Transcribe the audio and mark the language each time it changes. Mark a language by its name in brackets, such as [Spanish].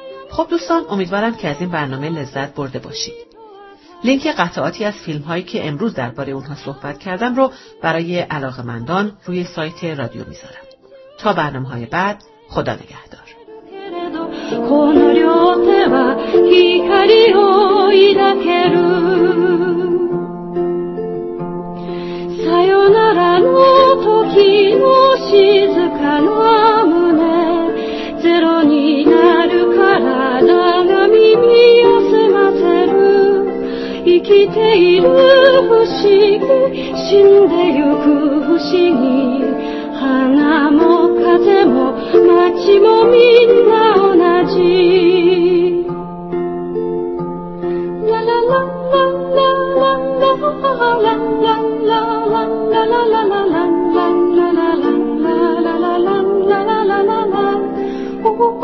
[Persian] خب دوستان، امیدوارم که از این برنامه لذت برده باشید. لینک قطعاتی از فیلم هایی که امروز درباره اونها صحبت کردم رو برای علاقمندان روی سایت رادیو می زارم. تا برنامه های بعد، خدا نگهدار. [Japanese] この両手は光を抱けるさよならの時の静かな胸ゼロになる体が耳を澄ませる生きている不思議死んでゆく不思議花も風も街もみんな同じ。ララララララララララララララララララララララララララララララ。